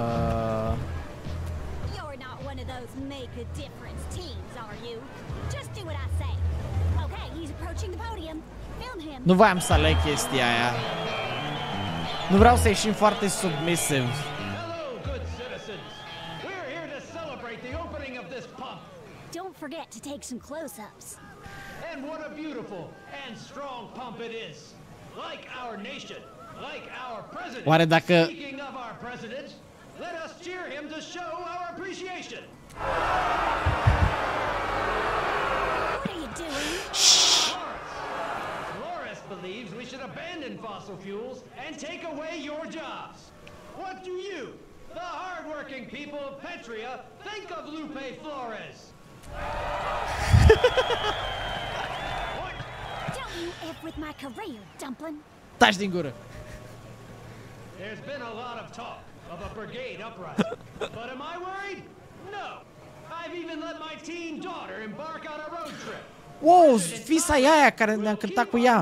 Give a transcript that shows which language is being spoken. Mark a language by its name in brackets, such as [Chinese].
[English] You're not one of those make a difference teams, are you? Just do what I say. Okay, he's approaching the podium. Film him. [Romanian] Nu voiam să aleg chestia aia. Nu vreau să ieșim foarte submisiv. [English] Hello, good citizens. We're here to celebrate the opening of this pump. Don't forget to take some close-ups. And what a beautiful and strong pump it is. Like our nation. [Romanian] Oare dacă... [English] Speaking of our president, let us cheer him to show our appreciation. What are you doing? Loris believes we should abandon fossil fuels and take away your jobs. What do you, the hardworking people of Petria, think of Lupe Flores? Don't you F with my career, dumpling. [Romanian] Taci din gură. [English] There's been a lot of talk of a brigade uprising, but am I worried? No. I've even let my teen daughter embark on a road trip. [Romanian] Whoa, fisa aia care ne-a cântat cu ea.